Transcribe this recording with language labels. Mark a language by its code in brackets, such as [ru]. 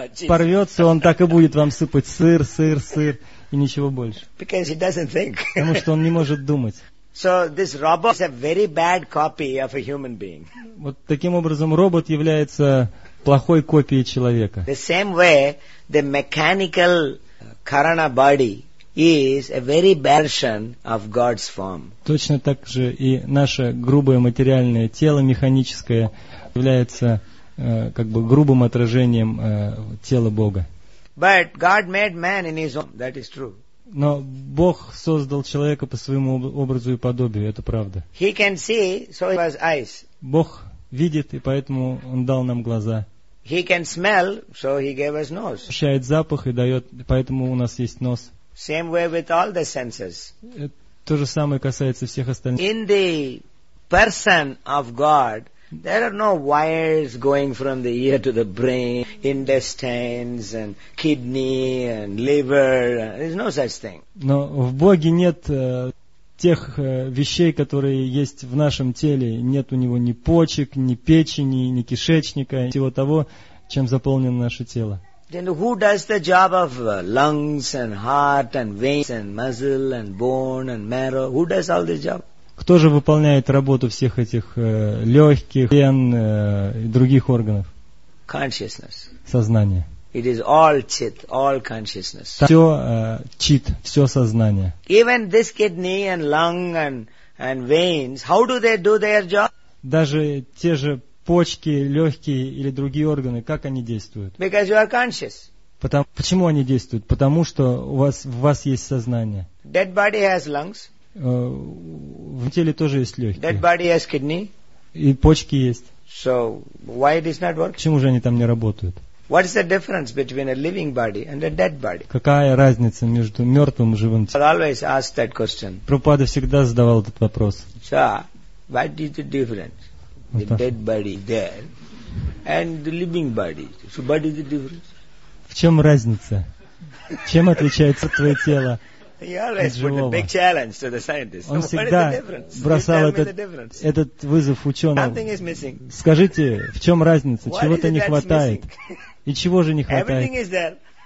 [ru] порвется, он так и будет вам сыпать сыр, сыр, сыр и ничего больше. [en] Because he doesn't think. [ru] Потому что он не может думать. [en] So this robot is a very bad copy of a human being. [ru] Вот таким образом робот является плохой копией человека. [en] The same way the mechanical karana body is a very version of God's form. [ru] Точно так же и наше грубое материальное тело механическое является как бы грубым отражением тела Бога. [en] But God made man in his own, that is true. [ru] Но Бог создал человека по своему образу и подобию, это правда. [en] He can see, so he has eyes. [ru] Бог видит, и поэтому он дал нам глаза. [en] He can smell, so he gave us nose. [ru] Ощущает запах и дает, поэтому у нас есть нос. [en] Same way with all the senses. [ru] То же самое касается всех остальных. [en] In the person of God, there are no wires going from the ear to the brain, intestines and kidney and liver. There's no such thing. [ru] Но в Боге нет тех вещей, которые есть в нашем теле. Нет у него ни почек, ни печени, ни кишечника, всего того, чем заполнено наше тело. [en] Then who does the job of lungs and heart and veins and muscle and bone and marrow? Who does all this job? [ru] Кто же выполняет работу всех этих легких, вен и других органов? [en] Consciousness. [ru] Сознание. [en] It is all chit, all consciousness. [ru] Все чит, все сознание. [en] Even this kidney and lung and veins, how do they do their job? [ru] Даже те же почки, легкие или другие органы, как они действуют? [en] Because you are conscious. [ru] Почему они действуют? Потому что в вас есть сознание. [en] Dead body has lungs. [ru] В теле тоже есть легкие. [en] Dead body has kidney. [ru] И почки есть. [en] So why it is not work? [ru] Почему же они там не работают? [en] What is the difference between a living body and a dead body? [ru] Какая разница между мертвым и живым телом? [en] I always ask that question. [ru] Прабхупада всегда задавал этот вопрос. [en] So, what is the difference? The dead body there and the living body. So what is the difference? [ru] В чем разница? Чем отличается твое тело? Он всегда бросал этот вызов ученым. Скажите, в чем разница? Чего-то не хватает. И чего же не хватает?